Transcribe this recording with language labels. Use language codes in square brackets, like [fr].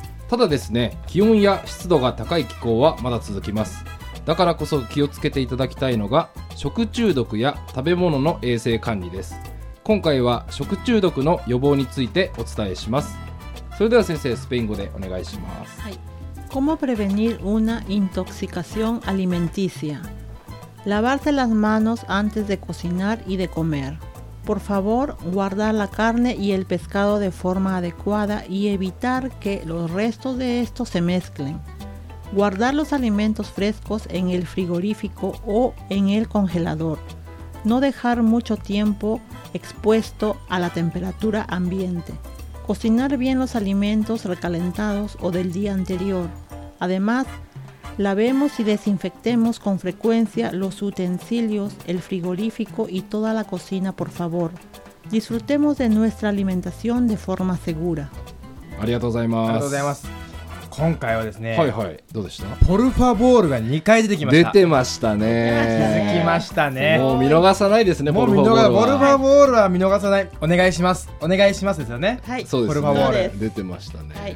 [ja] ただですね、気温や湿度が高い気候はまだ続きます。だからこそ気をつけていただきたいのが食中毒や食べ物の衛生管理です。今回は食中毒の予防についてお伝えします。それでは先生、スペイン語でお願いします。はい。 [es] ¿Cómo prevenir una intoxicación alimenticia? Lavarse las manos antes de cocinar y de comer. Por favor, guardar la carne y el pescado de forma adecuada y evitar que los restos de estos se mezclen. Guardar los alimentos frescos en el frigorífico o en el congelador. No dejar mucho tiempo expuesto a la temperatura ambiente. Cocinar bien los alimentos recalentados o del día anterior. Además, lavemos y desinfectemos con frecuencia los utensilios, el frigorífico y toda la cocina, por favor. Disfrutemos de nuestra alimentación de forma segura. [ja] ありがとうございます。ありがとうございます。今回はですね、はいはい、どうでした？ポルファボールが2回出てきました。出てましたね。続きましたね。もう見逃さないですね、ポルファボールは。ポルファボールは見逃さない。お願いします。お願いしますですよね。はい、そうですね。ポルファボール。出てましたね。